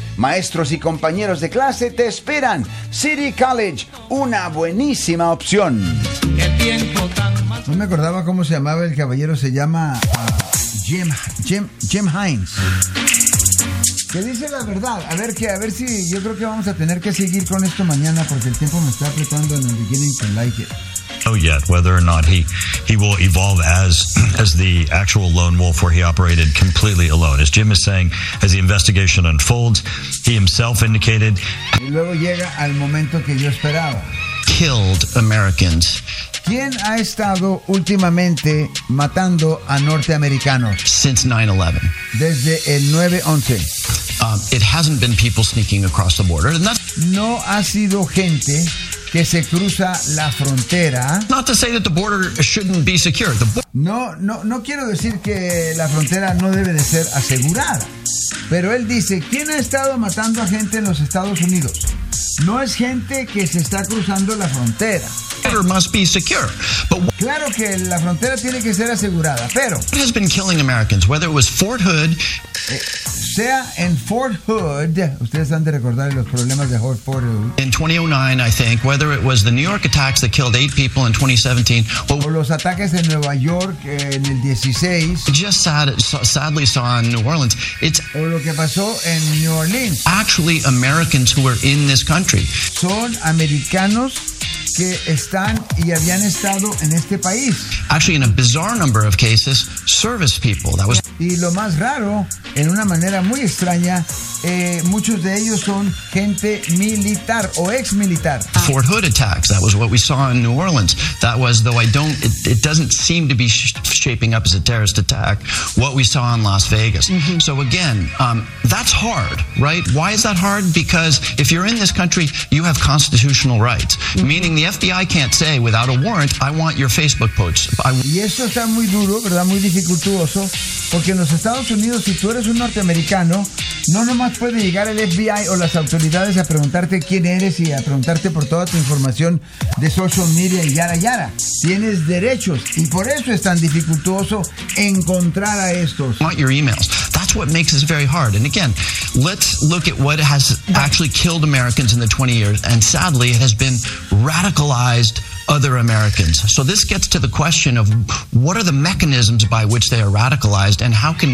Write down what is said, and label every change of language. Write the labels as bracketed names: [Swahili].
[Spanish] Maestros y compañeros de clase te esperan. City College, una buenísima opción. No me acordaba cómo se llamaba el caballero. Se llama Jim Hines. Que dice la verdad. A ver si yo creo que vamos a tener que seguir con esto mañana, porque el tiempo me está apretando en el [English] beginning to like it. Yet whether or not he will evolve as the actual lone wolf where he operated completely alone. As Jim is saying, as the investigation unfolds, he himself indicated, [Spanish] y luego llega al momento que yo esperaba, [English] killed Americans. [Spanish] ¿Quién ha estado últimamente matando a norteamericanos? [English] Since 9/11. [Spanish] Desde el 9/11. [English] It hasn't been people sneaking across the border. And [Spanish] no ha sido gente que se cruza la frontera. [English] Not to say that the border shouldn't be secure. [Spanish] No quiero decir que la frontera no debe de ser asegurada. Pero él dice, ¿quién ha estado matando a gente en los Estados Unidos? No es gente que se está cruzando la frontera. [English] Must be secure. But [Spanish] claro que la frontera tiene que ser asegurada, pero [English] what has been killing Americans, whether it was Fort Hood, [Spanish] sea en Fort Hood, ustedes han de recordar los problemas de Fort Hood [English] in 2009, I think, whether it was the New York attacks that killed 8 people in 2017, [Spanish] o los ataques en Nueva York en el 16, [English] just sadly saw in New Orleans, it's [Spanish] o lo que pasó en New Orleans, [English] actually Americans who were in this country, [Spanish] son americanos que están y habían estado en este país. [English] Actually, in a bizarre number of cases, service people. That was. [Spanish] Y lo más raro, en una manera muy extraña, muchos de ellos son gente militar o ex militar. [English] Fort Hood attacks. That was what we saw in New Orleans. That was, though I don't, it doesn't seem to be shaping up as a terrorist attack, what we saw in Las Vegas. Mm-hmm. So again, that's hard, right? Why is that hard? Because if you're in this country, you have constitutional rights. Mm-hmm. Meaning the FBI can't say without a warrant, I want your Facebook posts. [Spanish] Y eso está muy duro, ¿verdad? Muy dificultoso. Porque en los Estados Unidos, si tú eres un norteamericano, no nomás puede llegar el FBI o las autoridades a preguntarte quién eres y a preguntarte por toda tu información de social media y yara yara. Tienes derechos y por eso es tan dificultoso encontrar a estos. [English] Not your emails. That's what makes this very hard. And again, let's look at what has actually killed Americans in the 20 years. And sadly, it has been radicalized other Americans. So this gets to the question of what are the mechanisms by which they are radicalized and how can we...